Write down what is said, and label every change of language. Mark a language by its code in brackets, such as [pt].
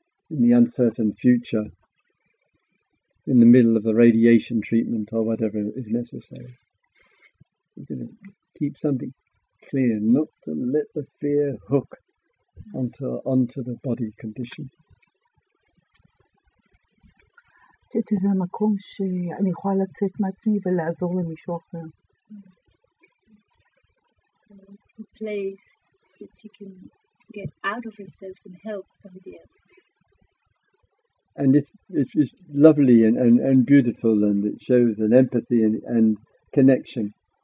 [en] in the uncertain future, in the middle of the radiation treatment or whatever is necessary. We're going to keep something clear, not to let the fear hook onto the body condition. [he] שזה המקום שאני יכולה לצאת מעצמי ולעזור למישהו אחר. [en] It's a place that she can get out of herself and help somebody else. And it's lovely and beautiful, and it shows an empathy and connection.